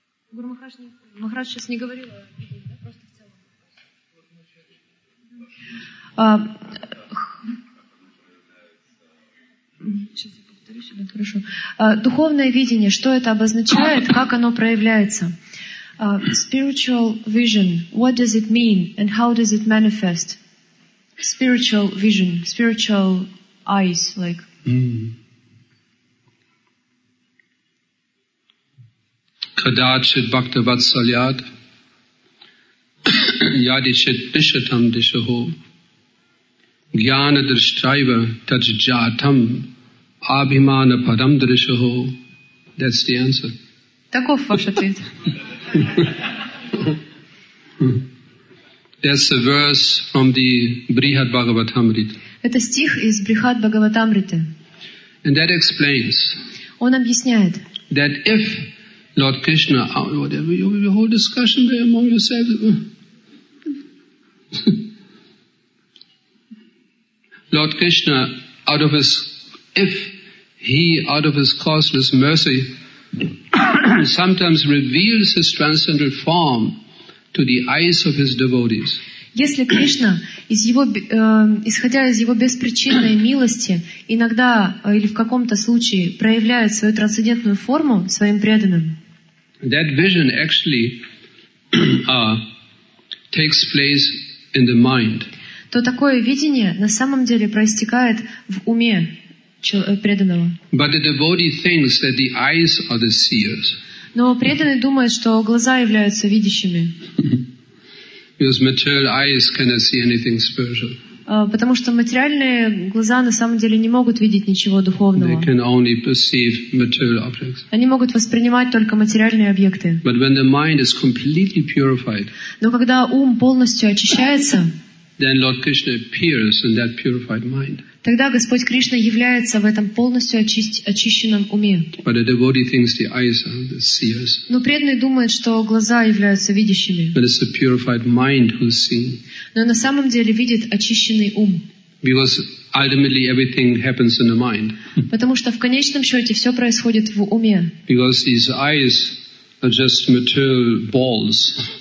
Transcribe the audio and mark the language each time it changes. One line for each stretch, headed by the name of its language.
Russian: Гуру Махарадж сейчас не говорил, а просто в целом. Сейчас я повторю себя, хорошо. Духовное видение, что это обозначает, как оно проявляется?
English: Spiritual vision, what does it mean and how does it manifest? Spiritual vision, spiritual eyes, like.
Sanskrit: Kadachit bhakta vatsalyat yadichit pishatam dishaho jnana drishtaiva tajjatam abhimana padam drishaho.
English: That's the answer.
Russian: Таков ваш ответ.
English: That's a verse from the Brihad Bhagavatamrita.
Russian: Это стих из Брихад Бхагаватамриты.
English: And that explains.
Russian: Он объясняет.
English: That if Lord Krishna, whatever, you have a whole discussion there among yourselves. Lord Krishna, out of his causeless mercy, sometimes reveals his transcendental form to the eyes of his devotees.
Russian: Если Кришна, исходя из его беспричинной милости, иногда или в каком-то случае проявляет свою трансцендентную форму своим преданным.
English: That vision actually takes place in the mind.
Russian: То такое видение на самом деле проистекает в уме преданного.
English: But the devotee thinks that the eyes are the seers.
Russian: Но преданный думает, что глаза являются видящими.
English: Because material eyes cannot see anything spiritual.
Russian: Потому что материальные глаза на самом деле не могут видеть ничего духовного.
English: They can only perceive material objects.
Russian: Они могут воспринимать только материальные объекты.
English: But when the mind is completely purified,
Russian: но когда ум полностью очищается,
English: then Lord Krishna appears in that purified mind.
Russian: Тогда Господь Кришна является в этом полностью очищенном уме.
English: But the devotee thinks the eyes are the seers.
Russian: Но преданный думает, что глаза являются видящими.
English: But it's a purified mind who's seen.
Russian: Но на самом деле видит очищенный ум.
English: Because ultimately everything happens in the mind.
Russian: Потому что в конечном счете все происходит в уме.
English: Because these eyes are just material balls.